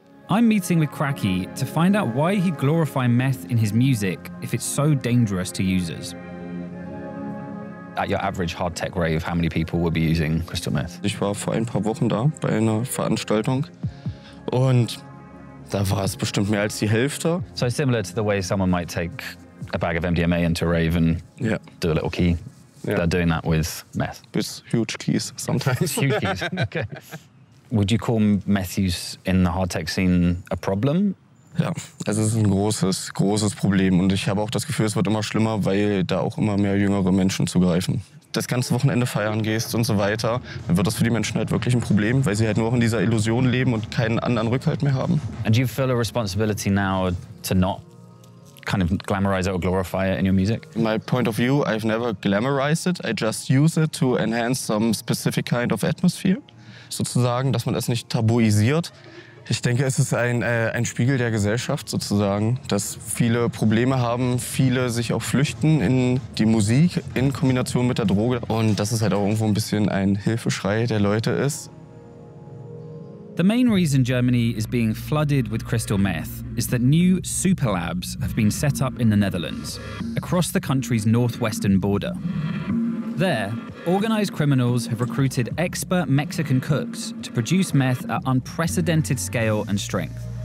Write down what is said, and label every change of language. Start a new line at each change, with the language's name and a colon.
English: I'm meeting with Cracky to find out why he'd glorify meth in his music if it's so dangerous to users. At your average hard tech rave, how many people would be using crystal meth?
German: Ich war vor ein paar Wochen da bei einer Veranstaltung und da war es bestimmt mehr als die Hälfte.
English: So similar to the way someone might take a bag of MDMA into a rave and do a little key. Yeah. They're doing that with meth. With huge keys sometimes. Huge keys. Okay. Would you call meth use in the hardtek scene a problem?
German: Ja, es ist ein großes Problem und ich habe auch das Gefühl, es wird immer schlimmer, weil da auch immer mehr jüngere Menschen zugreifen. Das ganze Wochenende feiern gehst und so weiter, dann wird das für die Menschen halt wirklich ein Problem, weil sie halt nur auch in dieser Illusion leben und keinen anderen Rückhalt mehr haben.
English: And you feel a responsibility now to not kind of glamorize it or glorify it in your music? My point of view, I've never glamorized it. I just use it to enhance some specific kind of atmosphere.
German: Sozusagen, dass man es nicht tabuisiert. Ich denke, es ist ein Spiegel der Gesellschaft sozusagen, dass viele Probleme haben, viele sich auch flüchten in die Musik in Kombination mit der Droge. Und dass es halt auch irgendwo ein bisschen ein Hilfeschrei der Leute ist.
English: The main reason Germany is being flooded with crystal meth is that new super labs have been set up in the Netherlands, across the country's northwestern border. There, organized criminals have recruited expert Mexican cooks to produce meth at unprecedented scale and strength.